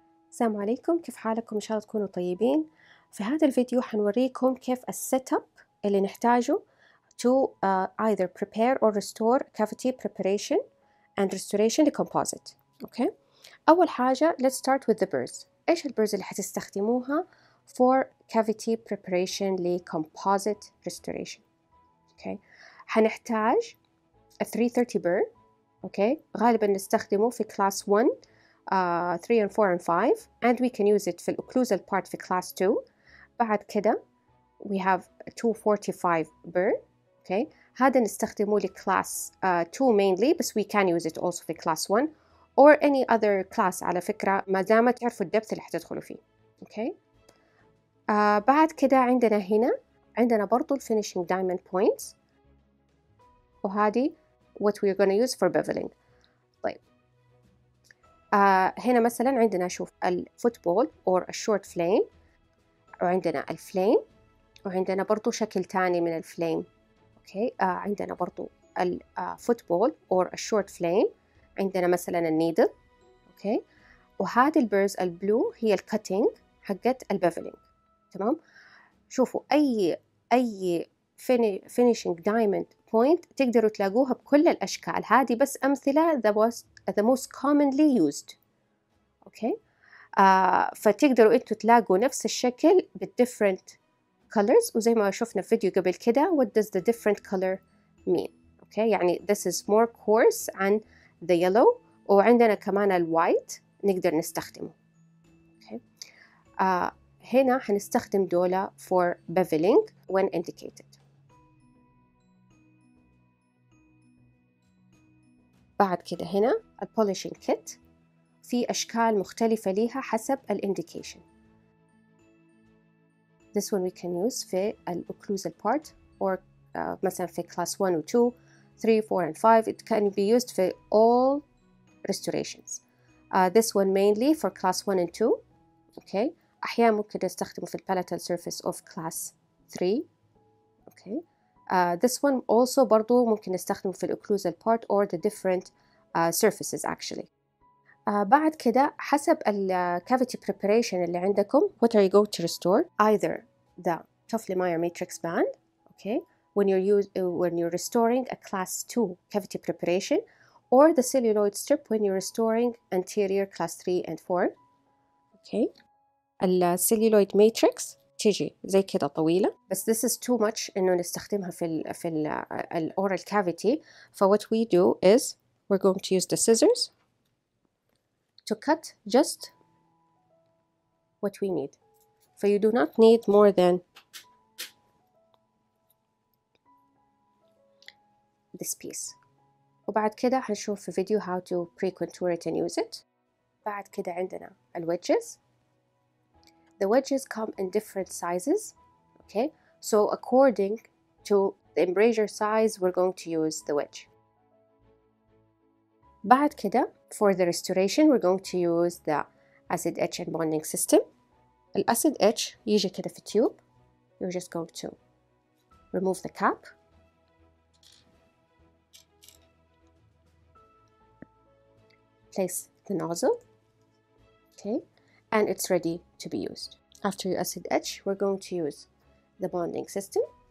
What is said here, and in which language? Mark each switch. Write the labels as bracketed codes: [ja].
[ar] السلام عليكم، كيف حالكم؟ إن شاء الله تكونوا طيبين. في هذا الفيديو حنوريكم كيف السيت اب اللي نحتاجه [en] to either prepare or restore cavity preparation and restoration to composite. Okay. [ar] أول حاجة [en] let's start with the burrs. [ar] إيش البرز اللي حتستخدموها [en] for cavity preparation ل composite restoration. Okay. [ar] حنحتاج [en] a 330 burr. Okay. [ar] غالبا نستخدمه في [en] class 1 3 and 4 and 5 and we can use it في occlusal part في class 2. [ar] بعد كده [en] we have 245 burr. Okay. [ar] هذا نستخدمه لكلاس 2 mainly بس [en] we can use it also [ar] في [en] class 1 or any other class [ar] على فكرة ما دام تعرفوا الدبث اللي حتدخلوا فيه. [en] Okay. [ar] بعد كده عندنا هنا عندنا برضو الفينيشنج دايموند بوينتس وهذه [en] what we are going to use for beveling. [ar] هنا مثلا عندنا شوف الفوتبول [en] or a short flame [ar] وعندنا الفليم وعندنا برضو شكل تاني من الفليم. [en] Okay. [ar] عندنا برضو الفوتبول [en] or a short flame [ar] عندنا مثلا النيدل. [en] Okay. [ar] وهذه البرز البلو هي الكاتينج حقت البيفلينج. تمام. شوفوا أي finishing diamond point تقدروا تلاقوها بكل الأشكال. هذه بس أمثلة [en] the most commonly used. Okay. [ar] فتقدروا أنتوا تلاقوا نفس الشكل بال [en] different colors. [ar] وزي ما شفنا في فيديو قبل كده [en] what does the different color mean. Okay. يعني this is more coarse عن the yellow. [ar] وعندنا كمان ال white نقدر نستخدمه. [en] Okay. [ar] هنا حنستخدم دولا [en] for beveling when indicated. [ar] بعد كده هنا ال polishing kit في أشكال مختلفة ليها حسب ال indication. [en] This one we can use في ال occlusal part or [ar] مثلا في [en] class 1 و 2 3 4 and 5 it can be used for all restorations. This one mainly for class 1 and 2. Okay. [ar] أحيانا ممكن نستخدمه في [en] palatal surface of class 3. Okay. This one also [ar] برضو ممكن نستخدمه في [en] occlusal part or the different surfaces actually. [ar] بعد كده حسب [en] cavity preparation [ar] اللي عندكم [en] what are you going to restore? Either the Toffoli-Meyer matrix band. Okay. When you're restoring a class 2 cavity preparation or the celluloid strip when you're restoring anterior class 3 and 4. Okay. [ar] الcelluloid matrix تيجي زي كده طويلة بس [en] this is too much [ar] انه نستخدمها في الـ oral cavity. [en] ف what we do is we're going to use the scissors to cut just what we need. ف you do not need more than this piece. [ar] وبعد كده حنشوف في فيديو [en] how to pre-contour it and use it. [ar] بعد كده عندنا ال wedges. [en] The wedges come in different sizes. Okay. So according to the embrasure size, we're going to use the wedge. [ar] بعد كده [en] for the restoration, we're going to use the acid etch and bonding system. [ar] الأسيد etch يجي كده في تيوب. [en] You're just going to remove the cap. Place the nozzle. Okay. And it's ready to be used. After your acid etch, we're going to use the bonding system.